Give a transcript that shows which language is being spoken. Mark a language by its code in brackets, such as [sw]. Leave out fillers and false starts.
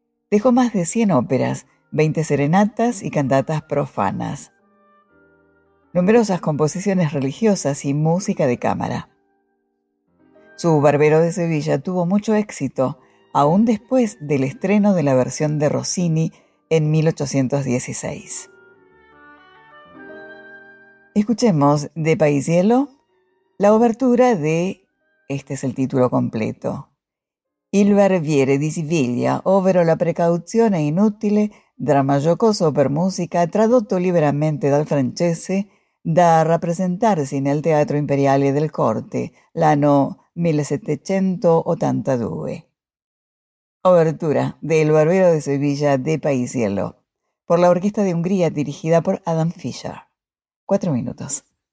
[es] Dejó más de 100 óperas, 20 serenatas y cantatas profanas. Numerosas composiciones religiosas y música de cámara. Su Barbero de Sevilla tuvo mucho éxito, aún después del estreno de la versión de Rossini en 1816. Escuchemos de Paisiello la obertura de, este es el título completo, [it] Il Barbiere di Siviglia, ovvero la precauzione inutile, dramma giocoso per musica, tradotto liberamente dal francese, da rappresentarsi nel Teatro Imperiale del Corte, l'anno 1782. [es] Obertura de Il Barbiere di Siviglia de Paisiello, por la Orquesta de Hungría dirigida por Adam Fischer. 4 minutos.